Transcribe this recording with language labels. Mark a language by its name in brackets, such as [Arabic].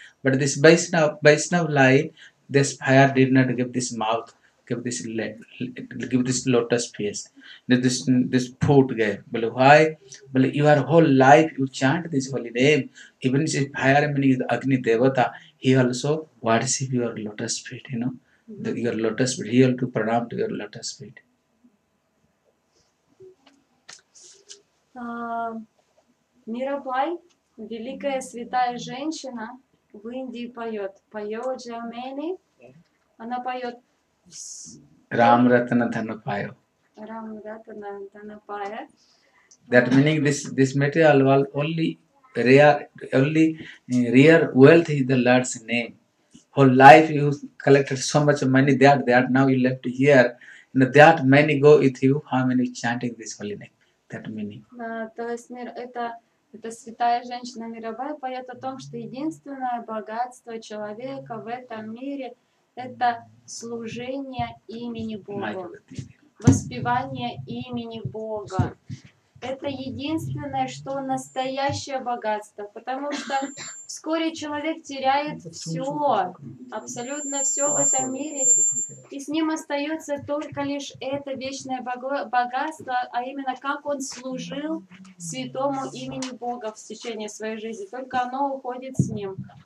[English] But this Vaishnav line, this fire did not give this mouth, give this lotus face, this foot gave. But why? But your whole life you chant this holy name, even if fire meaning is Agni Devata, he also worship your lotus feet, you know, your lotus feet, he will to pranam to your lotus feet. [Russian] Мирабай, великая святая женщина в Индии поет. Поет Джамени. Она поет [Hindi] Рам Ратана Данапая. Рам Ратана Данапая. [English] That meaning this material world only rare wealth is the Lord's name. Whole life you collected so much money that now you left here. And that many go with you, how many chanting this holy name? [Russian] То есть мир это святая женщина мировая поет о том, что единственное богатство человека в этом мире это служение имени Бога, воспевание имени Бога. Это единственное, что настоящее богатство, потому что вскоре человек теряет все, абсолютно все в этом мире, и с ним остается только лишь это вечное богатство, а именно как он служил святому имени Бога в течение своей жизни, только оно уходит с ним.